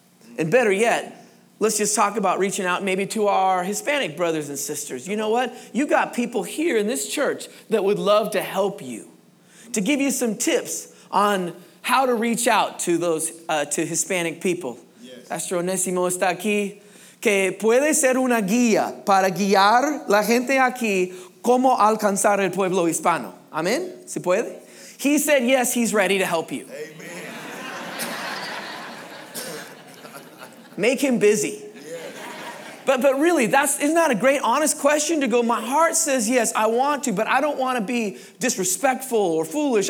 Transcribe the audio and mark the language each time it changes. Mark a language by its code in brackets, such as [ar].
[en] Yes. And better yet, let's just talk about reaching out maybe to our Hispanic brothers and sisters. You know what? You got people here in this church that would love to help you, to give you some tips on how to reach out to those to Hispanic people. [es] Pastor Onésimo está aquí, que puede ser una guía para guiar la gente aquí cómo alcanzar el pueblo hispano. Amén. ¿Se puede? [en] He said yes, he's ready to help you. Amen. Make him busy. Yes. But really, isn't that a great honest question to go, my heart says yes, I want to, but I don't want to be disrespectful or foolish.